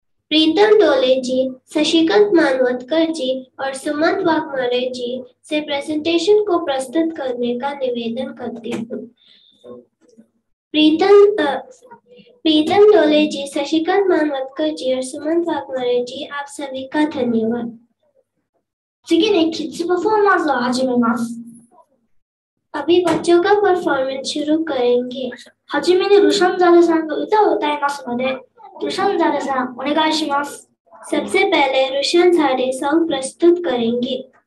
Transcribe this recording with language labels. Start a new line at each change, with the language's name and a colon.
Hindi: प्रीतम डोले जी, शशिकांत मानवतकर जी और सुमंत वाघमारे जी से प्रेजेंटेशन को प्रस्तुत करने का निवेदन करती हूँ। प्रीतम डोले जी, शशिकांत मानवतकर जी और सुमंत वाघमारे जी, आप सभी का धन्यवाद।
Japanese: 次にキッズパフォーマンスを始めます。
Hindi: अभी बच्चों का परफॉर्मेंस शुरू करेंगे।
Japanese: はじめにルシャンザルさんが歌を歌いますので。
Hindi: रुशनजारे सर, उन्हें गाइस सबसे पहले रुशनजारे सॉन्ग प्रस्तुत करेंगे।